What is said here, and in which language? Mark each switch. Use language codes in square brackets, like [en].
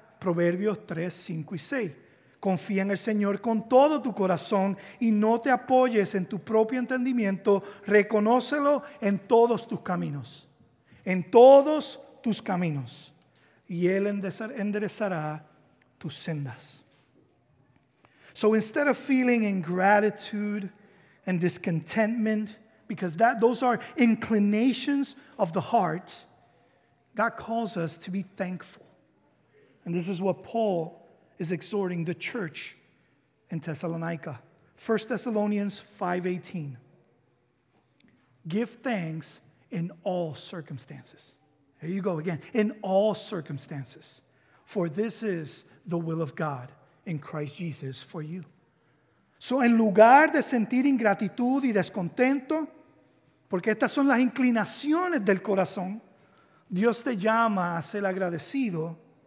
[es] Proverbios 3, 5 y 6. Confía en el Señor con todo tu corazón y no te apoyes en tu propio entendimiento. Reconócelo en todos tus caminos. En todos tus caminos. Y Él enderezará tus sendas. [en] So instead of feeling ingratitude and discontentment, because those are inclinations of the heart, God calls us to be thankful. And this is what Paul is exhorting the church in Thessalonica. 1 Thessalonians 5:18. Give thanks in all circumstances. Here you go again. In all circumstances. For this is the will of God in Christ Jesus for you. [es] So en lugar de sentir ingratitud y descontento, porque estas son las inclinaciones del corazón, Dios te llama a ser agradecido.